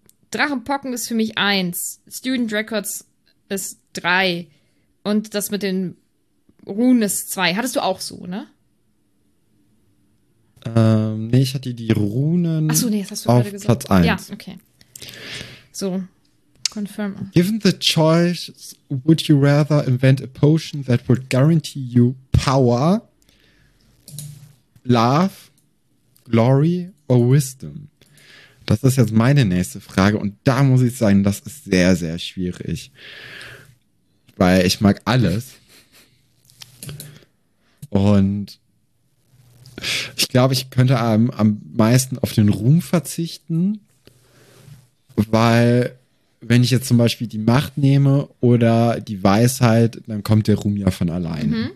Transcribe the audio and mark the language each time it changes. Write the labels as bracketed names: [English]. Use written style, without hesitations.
[German] Drachenpocken ist für mich 1. Student Records ist 3. Und das mit den Runen ist 2. Hattest du auch so, ne? Nee, ich hatte die Runen Ach so, nee, das hast du auf gerade gesagt. Platz 1. Ja, okay. So. Confirm. [English] Given the choice, would you rather invent a potion that would guarantee you power, love, glory or wisdom? [German] Das ist jetzt meine nächste Frage und da muss ich sagen, das ist sehr, sehr schwierig. Weil ich mag alles. Und ich glaube, ich könnte am meisten auf den Ruhm verzichten, weil wenn ich jetzt zum Beispiel die Macht nehme oder die Weisheit, dann kommt der Ruhm ja von allein.